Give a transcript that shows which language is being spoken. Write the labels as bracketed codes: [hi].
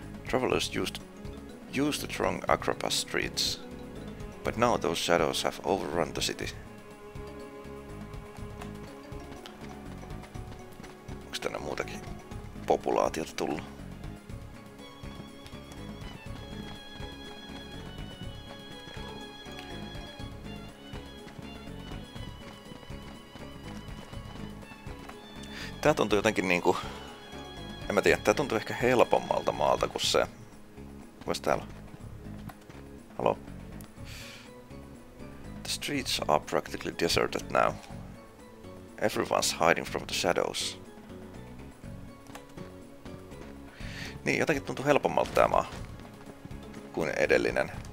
[en] Travelers used the strong Acropas streets, but now those shadows have overrun the city. [fi] Onks tänne muutakin populaatiota tullut? Tää tuntuu jotenkin niinku... En mä tiedä, tää tuntuu ehkä helpommalta maalta kuin se. Kuinka täällä? [en] Hello? The streets are practically deserted now. Everyone's hiding from the shadows. [fi] Niin, jotenkin tuntuu helpommalta tämä maa kuin edellinen.